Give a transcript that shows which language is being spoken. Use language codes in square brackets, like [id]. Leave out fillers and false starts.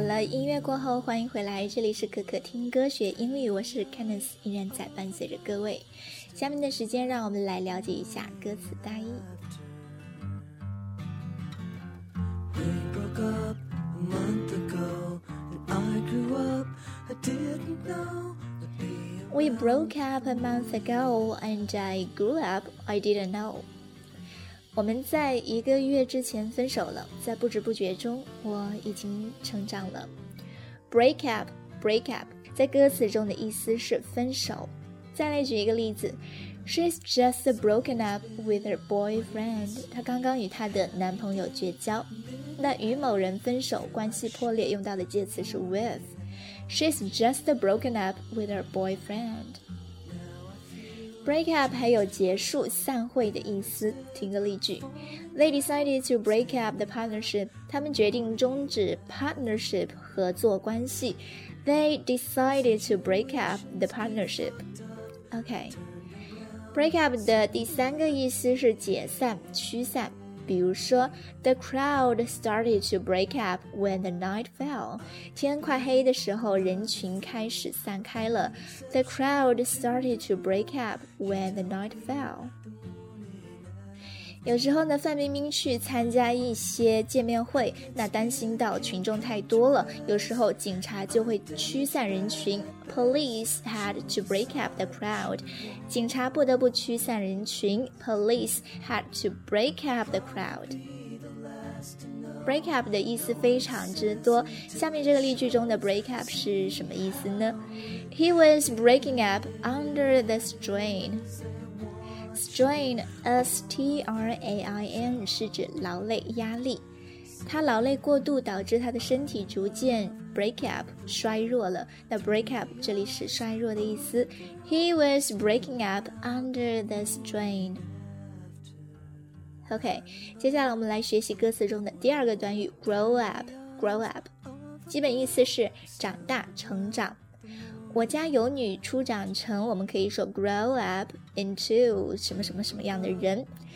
[zh] 音乐过后，欢迎回来，这里是可可听歌学英语，我是 Candice， 依然在伴随着各位。下面的时间，让我们来了解一下歌词大意。 [en] We broke up a month ago, and I grew up, I didn't know. We broke up a month ago, and I grew up, I didn't know. [zh] 我们在一个月之前分手了，在不知不觉中我已经成长了。 Break up 在歌词中的意思是分手。再来举一个例子， [en] She's just broken up with her boyfriend， [zh] 她刚刚与她的男朋友绝交。那与某人分手关系破裂用到的介词是 with， [en] She's just broken up with her boyfriendBreak up [zh] 还有结束、散会的意思。听个例句 [en] ，They decided to break up the partnership. [zh] 他们决定终止 partnership 合作关系。 [en] They decided to break up the partnership. OK. [zh] Break up 的第三个意思是解散、驱散。比如说 [en] ，The crowd started to break up when the night fell. [zh] 天快黑的时候，人群开始散开了。 [en] The crowd started to break up when the night fell. [zh] 有时候呢，范冰冰去参加一些见面会，那担心到群众太多了，有时候警察就会驱散人群。 [en] Police had to break up the crowd. [zh] 警察不得不驱散人群。 [en] Police had to break up the crowd. [zh] break up 的意思非常之多。下面这个例句中的 break up 是什么意思呢？ [en] He was breaking up under the strain. Strain, S-T-R-A-I-N, [zh] 是指劳累、压力。他劳累过度导致他的身体逐渐 break up 衰弱了。那 break up 这里是衰弱的意思。 [en] He was breaking up under the strain. [zh] OK, 接下来我们来学习歌词中的第二个短语 grow up. Grow up 基本意思是长大、成长。我家有女初长成，我们可以说 grow up into 什么什么什么样的人。